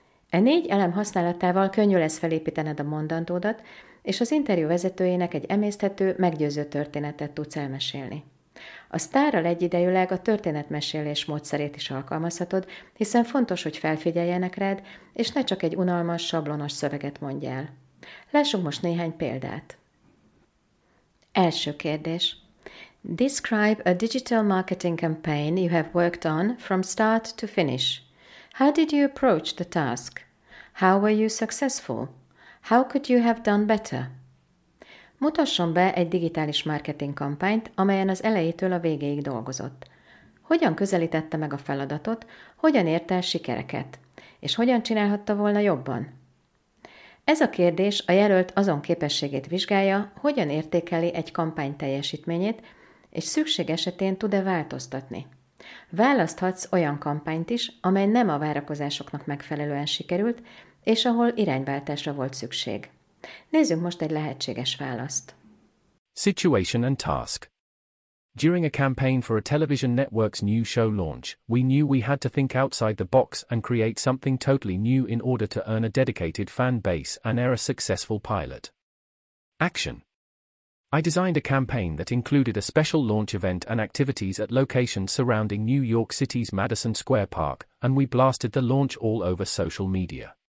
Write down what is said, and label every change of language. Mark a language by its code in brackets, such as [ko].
[hu] E négy elem használatával könnyű lesz felépítened a mondandódat, és az interjú vezetőjének egy emészthető, meggyőző történetet tudsz elmesélni. A sztárral egyidejűleg a történetmesélés módszerét is alkalmazhatod, hiszen fontos, hogy felfigyeljenek rád, és ne csak egy unalmas, sablonos szöveget mondj el. Lássuk most néhány példát. Első kérdés. [en] Describe a digital marketing campaign you have worked on from start to finish. How did you approach the task? How were you successful? How could you have done better? [hu] Mutasson be egy digitális marketing kampányt, amelyen az elejétől a végéig dolgozott. Hogyan közelítette meg a feladatot, hogyan ért el sikereket, és hogyan csinálhatta volna jobban? Ez a kérdés a jelölt azon képességét vizsgálja, hogyan értékeli egy kampány teljesítményét, és szükség esetén tud-e változtatni. Választhatsz olyan kampányt is, amely nem a várakozásoknak megfelelően sikerült, és ahol irányváltásra volt szükség. Nézzünk most egy lehetséges választ. [en] Situation and task. During a campaign for a television network's new show launch, we knew we had to think outside the box and create something totally new in order to earn a dedicated fan base and air a successful pilot. Action. I designed a campaign that included a special launch event and activities at locations surrounding New York City's Madison Square Park, and we blasted the launch all over social media.